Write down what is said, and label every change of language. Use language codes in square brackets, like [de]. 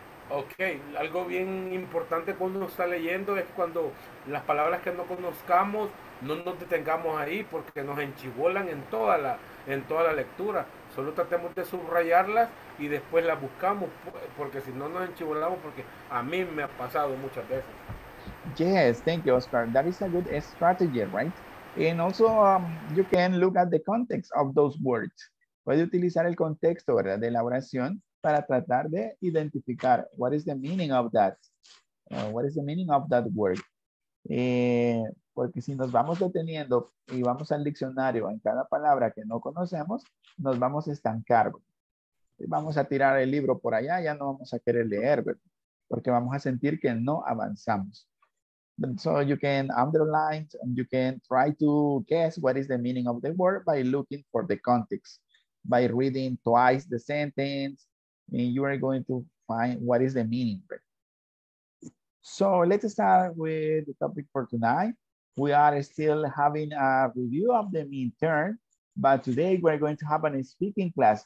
[es] Okay, algo bien importante cuando uno está leyendo es cuando las palabras que no conozcamos no nos detengamos ahí porque nos enchivolan en toda la lectura. Solo tratemos de subrayarlas y después las buscamos, porque si no nos enchivolamos, porque a mí me ha pasado muchas veces. [en] Yes, thank you, Oscar. That is a good strategy, right? And also, you can look at the context of those words. [es] Puede utilizar el contexto, ¿verdad?, de la oración para tratar de identificar [en] what is the meaning of that. What is the meaning of that word? [es] Porque si nos vamos deteniendo y vamos al diccionario en cada palabra que no conocemos, nos vamos a estancar. Vamos a tirar el libro por allá, ya no vamos a querer leer, ¿verdad? Porque vamos a sentir que no avanzamos. [en] So you can underline, and you can try to guess what is the meaning of the word by looking for the context, by reading twice the sentence, and you are going to find what is the meaning. So let's start with the topic for tonight. We are still having a review of the midterm, but today we're going to have a speaking class.